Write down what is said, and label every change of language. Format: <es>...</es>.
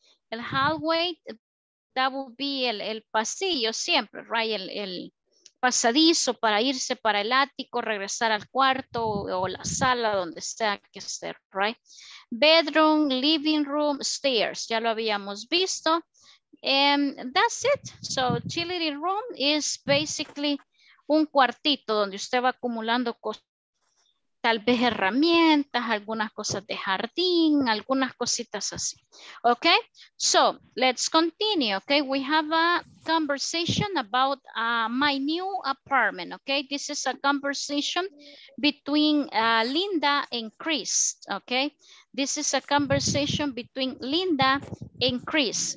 <en>El hallway, that would be</en> <es>el pasillo siempre,</es> <en>right?</en> <es>El pasadizo para irse para el ático, regresar al cuarto o la sala, donde sea que esté, right? Bedroom, living room, stairs, ya lo habíamos visto.</es> <en>And that's it. So, utility room is basically</en> <es>un cuartito donde usted va acumulando cosas, tal vez herramientas, algunas cosas de jardín, algunas cositas así.</es> <en>Okay, so let's continue. Okay, we have a conversation about my new apartment. Okay, this is a conversation between Linda and Chris. Okay, this is a conversation between Linda and Chris.</en>